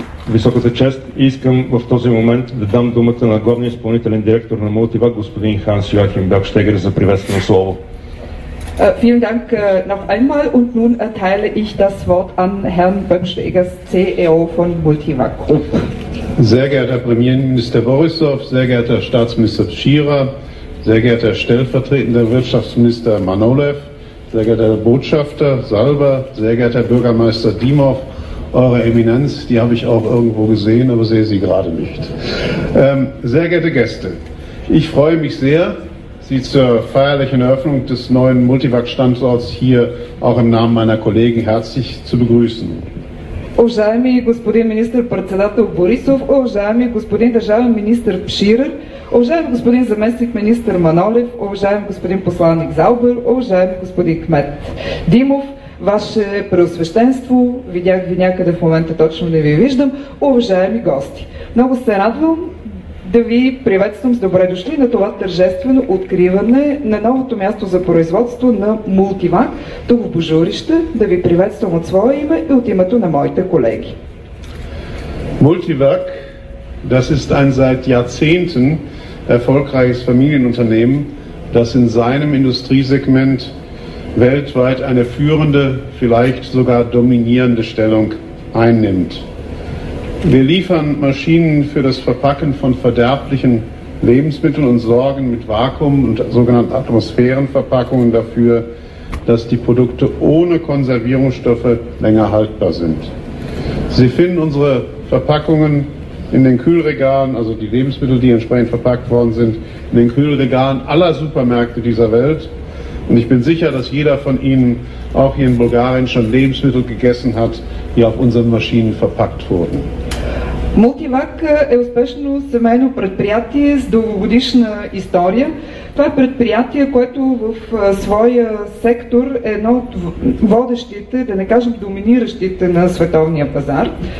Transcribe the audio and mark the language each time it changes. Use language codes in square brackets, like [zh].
[bg] Високата чест, искам в този момент да дам думата на главния изпълнителен директор на Multivac, господин Ханс Йоахим Бергштегер, за приветствено слово. [de] Vielen Dank noch einmal und nun erteile ich das Wort an Herrn Bergsteger, CEO von Multivac Group. Sehr geehrter Premierminister Borisov, sehr geehrter Staatsminister Schirer, sehr geehrter stellvertretender Wirtschaftsminister Manolev, sehr geehrter Botschafter Salber, sehr geehrter Bürgermeister Dimov, Eure Eminenz, die habe ich auch irgendwo gesehen, aber sehe sie gerade nicht. Sehr geehrte Gäste, ich freue mich sehr, Sie zur feierlichen Eröffnung des neuen Multivac-Standorts hier auch im Namen meiner Kollegen herzlich zu begrüßen. [bg] Уважаеми господин министър-председател Борисов, уважаеми господин държавен министър Пширер, уважаеми господин заместник-министър Манолев, уважаеми господин посланник Залбер, уважаеми господин кмет Димов, Ваше преосвещенство, видях ви някъде в момента, точно не ви виждам, уважаеми гости. Много се радвам да ви приветствам с добре дошли на това тържествено откриване на новото място за производство на Multivac, тук в Божурище, да ви приветствам от своя име и от името на моите колеги. [de] Multivac, das ist ein seit Jahrzehnten erfolgreiches Familienunternehmen, das in seinem Industriesegment weltweit eine führende, vielleicht sogar dominierende Stellung einnimmt. Wir liefern Maschinen für das Verpacken von verderblichen Lebensmitteln und sorgen mit Vakuum- und sogenannten Atmosphärenverpackungen dafür, dass die Produkte ohne Konservierungsstoffe länger haltbar sind. Sie finden unsere Verpackungen in den Kühlregalen, also die Lebensmittel, die entsprechend verpackt worden sind, in den Kühlregalen aller Supermärkte dieser Welt. Und ich bin sicher, dass jeder von Ihnen auch hier in Bulgarien schon Lebensmittel gegessen hat, die auf unseren Maschinen verpackt wurden. [bg] Multivac е успешно семейно предприятие с дългогодишна история. Това е предприятие, което в своя сектор е едно от водещите, да не кажем доминиращите на световния пазар.